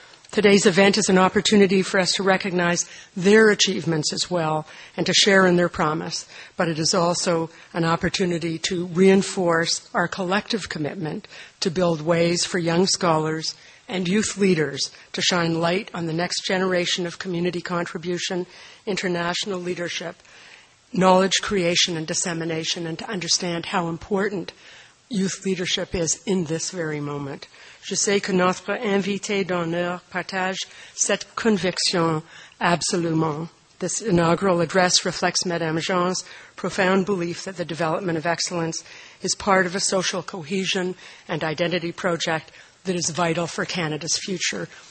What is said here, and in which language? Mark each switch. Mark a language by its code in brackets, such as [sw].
[en] Today's event is an opportunity for us to recognize their achievements as well and to share in their promise, but it is also an opportunity to reinforce our collective commitment to build ways for young scholars and youth leaders to shine light on the next generation of community contribution, international leadership, knowledge creation and dissemination, and to understand how important youth leadership is in this very moment. [fr] Je sais que notre invité d'honneur partage cette conviction absolument. [en] This inaugural address reflects Madame Jean's profound belief that the development of excellence is part of a social cohesion and identity project that is vital for Canada's future.